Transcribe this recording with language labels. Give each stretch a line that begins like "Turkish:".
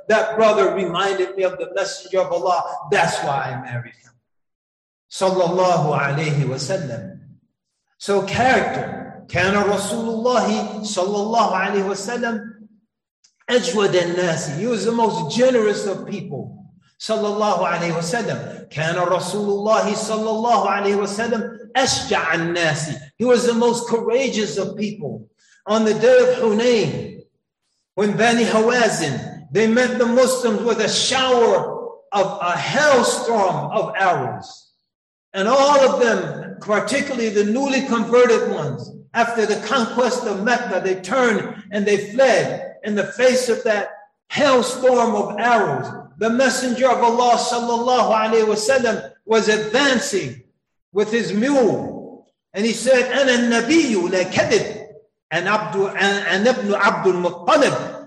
English: That brother reminded me of the Messenger of Allah. That's why I married him, sallallahu alayhi wasallam. So character. Kana Rasulullah sallallahu alayhi wasallam
Arabic: أجود الناس.
English: He was the most generous of people, sallallahu alayhi wa sallam.
Arabic: كان رسول الله صلى الله عليه وسلم أشجع الناس.
English: He was the most courageous of people. On the day of Hunayn, when Bani Hawazin, they met the Muslims with a shower of a hailstorm of arrows. And all of them, particularly the newly converted ones, after the conquest of Mecca, they turned and they fled. In the face of that hailstorm of arrows. The Messenger of Allah sallallahu alayhi wa sallam was advancing with his mule. And he said,
Arabic: أنا النبي لا كذب أنا ابن عبد المطلب.